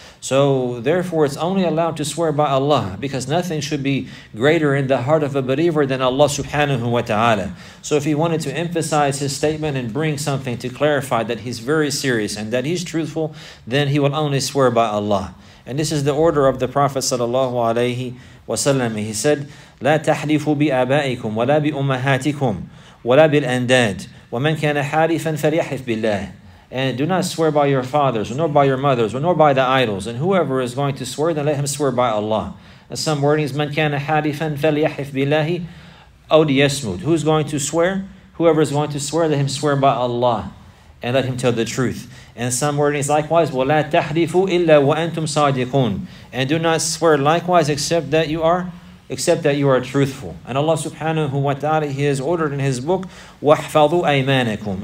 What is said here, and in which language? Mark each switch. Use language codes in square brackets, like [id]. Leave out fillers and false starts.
[en] So therefore, it's only allowed to swear by Allah, because nothing should be greater in the heart of a believer than Allah subhanahu wa ta'ala. So if he wanted to emphasize his statement and bring something to clarify that he's very serious and that he's truthful, then he will only swear by Allah. And this is the order of the Prophet sallallahu alayhi wa sallam. He said, [ar] لا تحلفوا بآبائكم ولا بأمهاتكم ولا بالأنداد ومن كان حالفا فليحلف بالله. [en] And do not swear by your fathers, nor by your mothers, nor by the idols. And whoever is going to swear, then let him swear by Allah. And some wording is, [ar] من كان حالفا فليحلف بالله أو ليصمت. [en] Who's going to swear? Whoever is going to swear, let him swear by Allah. And let him tell the truth. And some wording is likewise, [ar] وَلَا تَحْلِفُوا إِلَّا وَأَنْتُمْ صَادِقُونَ. [en] And do not swear likewise except that you are truthful. And Allah subhanahu wa ta'ala, He has ordered in His book, [ar] وَحْفَظُوا أَيْمَانَكُمْ.